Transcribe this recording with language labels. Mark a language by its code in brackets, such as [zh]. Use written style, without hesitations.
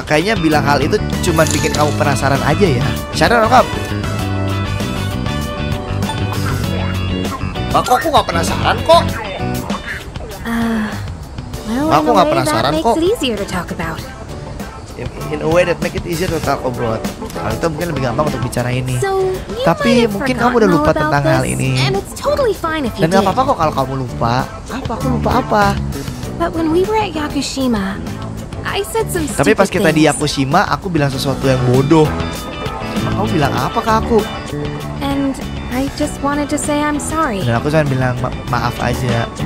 [id] Kayaknya bilang hal itu cuma bikin kamu penasaran aja ya. [en] Shut up, [id] Rokop. Kok aku gak penasaran kok? Aku gak penasaran kok. [en] It's easier to talk about. In a way that make it easier to talk about. [id] Hal itu mungkin lebih gampang untuk bicara ini. [en] So, [id] tapi mungkin kamu udah lupa tentang [en] this, [id] hal ini. [en] Totally. [id] Dan gak apa-apa kok kalau kamu lupa. Apa aku lupa apa? [en] But when we were at Yakushima, I said some stupid [id] Tapi pas kita di Yakushima, aku bilang sesuatu yang bodoh. Kamu bilang apa ke aku? [en] And I just wanted to say I'm sorry. [id] Dan aku cuma bilang maaf aja.